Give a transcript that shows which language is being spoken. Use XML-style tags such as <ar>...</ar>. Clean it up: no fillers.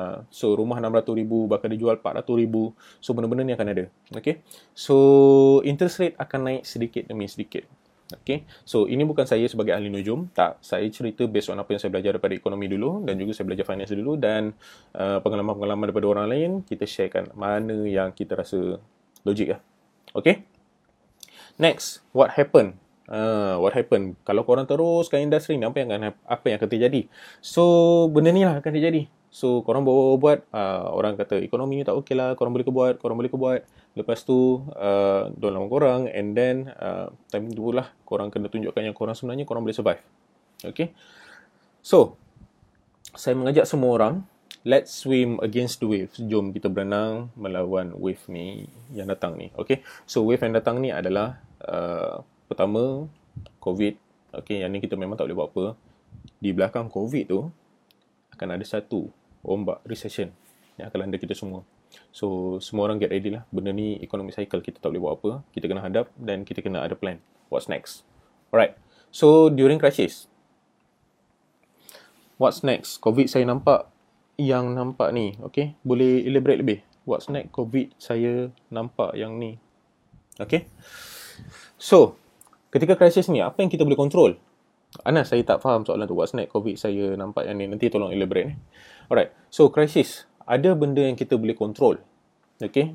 <ms>So rumah 600 ribu, bakal dijual 400 ribu. So benda-benda ni akan ada. Okay, so interest rate akan naik sedikit demi sedikit. Okay, so ini bukan saya sebagai ahli nujum. Tak, saya cerita</ms> <en>based on</en> <ms>apa yang saya belajar daripada ekonomi dulu, dan juga saya belajar finance dulu, dan pengalaman-pengalaman daripada orang lain. Kita sharekan mana yang kita rasa logik lah.</ms> <en>Okay, next, what happened? What happened?</en> <ms>Kalau korang teruskan industri ni, apa yang akan terjadi? So benda ni lah akan terjadi. So, korang buat, orang kata ekonomi ni tak okey lah, korang boleh ke buat, korang boleh ke buat. Lepas tu, don't lama korang,</ms> <en>and then,</en> <ms>time tu lah, korang kena tunjukkan yang korang sebenarnya, korang boleh survive. Okay? So, saya mengajak semua orang,</ms> <en>let's swim against the wave.</en> <ms>Jom kita berenang melawan wave ni yang datang ni. Okay? So, wave yang datang ni adalah, pertama, COVID. Okay, yang ni kita memang tak boleh buat apa. Di belakang COVID tu, akan ada satu ombak recession yang akan landa kita semua. So, semua orang</ms> <en>get ready</en> <ms>lah. Benda ni</ms> <en>economic cycle,</en> <ms>kita tak boleh buat apa. Kita kena hadap dan kita kena ada plan.</ms> <en>What's next? Alright. So, during crisis, what's next?</en> <ms>COVID saya nampak yang nampak ni. Okay. Boleh elaborate lebih?</ms> <en>What's next?</en> <ms>COVID saya nampak yang ni. Okay. So, ketika crisis ni, apa yang kita boleh control? Anas, saya tak faham soalan tu.</ms> <en>What's next?</en> <ms>COVID saya nampak yang ni. Nanti tolong elaborate ni. Alright. So, crisis. Ada benda yang kita boleh control. Okay?</ms>